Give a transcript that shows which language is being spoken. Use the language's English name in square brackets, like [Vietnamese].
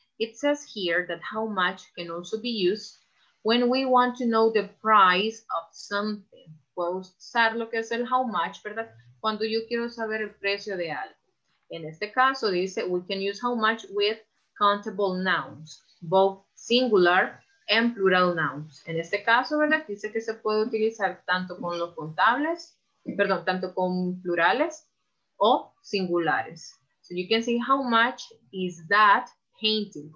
[English] It says here that how much can also be used when we want to know the price of something. [Spanish] Puedo usar lo que es el how much, ¿verdad? Cuando yo quiero saber el precio de algo. En este caso dice, [English] we can use how much with countable nouns, both singular and plural nouns. [Spanish] En este caso, ¿verdad? Dice que se puede utilizar tanto con los contables, perdón, tanto con plurales o singulares. [English] So you can see how much is that painting.